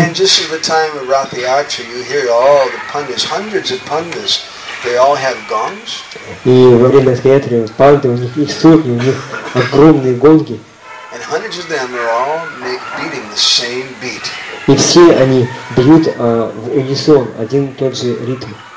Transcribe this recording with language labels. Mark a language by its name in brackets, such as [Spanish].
[English] And just in the time of Ratha Yatra, you hear all the pandas, hundreds of pandas, they all have gongs. [Russian] И во время Ratha Yatra панды, у них их сотни, у них огромные гонги. [English] And hundreds of them are all beating the same beat. [Russian] И все они бьют в унисон один и тот же ритм.